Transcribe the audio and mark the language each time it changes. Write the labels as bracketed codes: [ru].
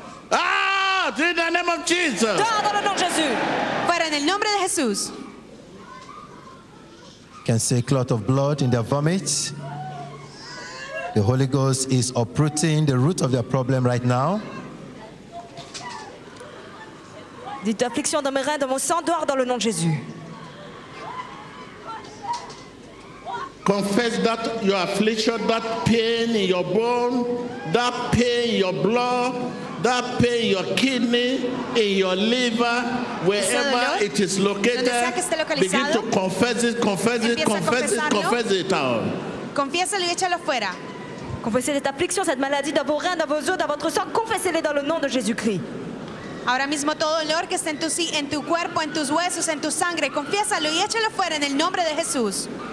[en] Ah, in the name of Jesus. [fr] Dehors dans le nom de Jésus. [es] Fuera en el nombre de Jesús. [en] Can see a clot of blood in their vomit. The Holy Ghost is uprooting the root of their problem right now. [fr] Dites affliction dans mes reins, dans mon sang, dehors dans le nom de Jésus. [en] Confess that your affliction, that pain in your bone, that pain in your blood, that pain in your kidney, in your liver, wherever it is located, begin to confess it out. [es] Confiésalo y échalo fuera. [fr] Confessez cette affliction, cette maladie dans vos reins, dans vos os, dans votre sang, confessez-les dans le nom de Jésus-Christ. [es] Ahora mismo todo dolor que está en tu cuerpo, en tus huesos, en tu sangre, confiésalo y échalo fuera en el nombre de Jesús.